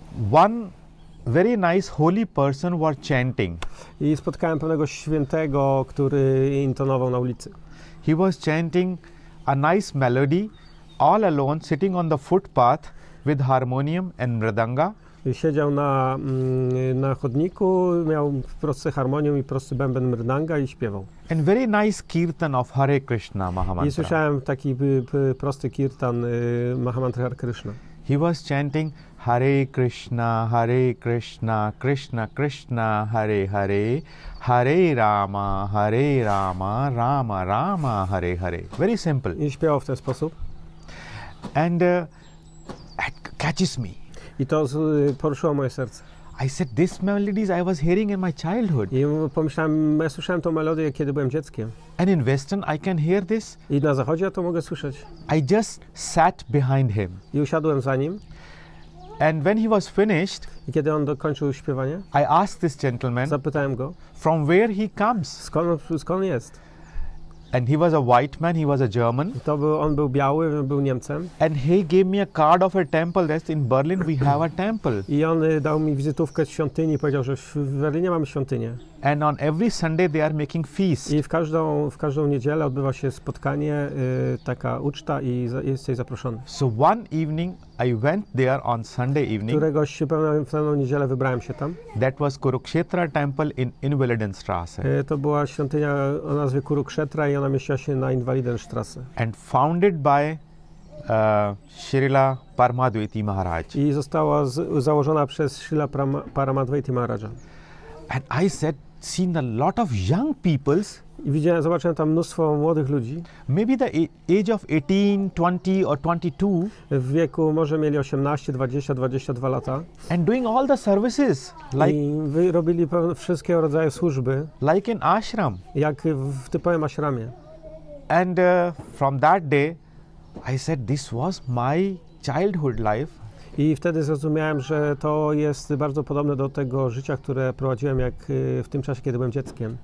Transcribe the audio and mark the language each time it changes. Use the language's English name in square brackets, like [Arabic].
[English] One very nice holy person was chanting. [Polish] I spotkałem pewnego świętego, który intonował na ulicy. [English] He was chanting a nice melody, all alone, sitting on the footpath with harmonium and mridanga. [Polish] Siedział na chodniku, miał prosty harmonium i prosty bęben mridanga i śpiewał. [English] And very nice kirtan of Hare Krishna Mahamantra. [Polish] I słyszałem taki prosty kirtan Mahamantra Hare Krishna. [English] He was chanting Hare Krishna, Krishna Krishna, Hare Hare, Hare Rama, Hare Rama, Rama Rama, Hare Hare. Very simple. [Polish] I śpiewał w ten sposób. [English] And it catches me. [Polish] I to poruszyło moje serce. [English] I said, this melodies I was hearing in my childhood. [Polish] I pomyślałem, ja słyszałem tą melodię, kiedy byłem dzieckiem. [English] And in Western, I can hear this. [Polish] I na zachodzie ja to mogę słyszeć. [English] I just sat behind him. [Polish] I usiadłem za nim. [English] And when he was finished, [Polish] i kiedy on dokończył śpiewanie, [English] I asked this gentleman, [Polish] zapytałem go, [English] from where he comes. [Polish] Skąd jest? [English] And he was a white man, he was a German. [Polish] On był biały, był Niemcem. [English] And he gave me a card of a temple, that's in Berlin, we have a temple. [Polish] I on dał mi wizytówkę świątyni, powiedział, że w Berlinie mamy świątynię. [English] And on every Sunday they are making feast. [Polish] I w każdą niedzielę odbywa się spotkanie, taka uczta i jesteś zaproszony. [English] So one evening I went there on Sunday evening. [Polish] Któregoś pewną niedzielę wybrałem się tam. [English] That was Kurukshetra temple in Invalidenstrasse. [Polish] To była świątynia o nazwie Kurukshetra i ona mieściła się na Invalidenstrasse. [English] And founded by Srila Paramadvaiti Maharaj. [Polish] I została założona przez Srila Paramadvaiti Maharaja. [English] And I said, seen a lot of young people. [Polish] I widziałem, zobaczyłem tam mnóstwo młodych ludzi. [English] Maybe the age of 18, 20 or 22. [Polish] W wieku może mieli 18, 20, 22 lata. [English] And doing all the services. [Polish] Like, i robili wszystkiego rodzaju służby. [English] Like in ashram. [Polish] Jak w typowym ashramie. [English] And from that day, I said, this was my childhood life. [Polish] I wtedy zrozumiałem, że to jest bardzo podobne do tego życia, które prowadziłem jak w tym czasie, kiedy byłem dzieckiem.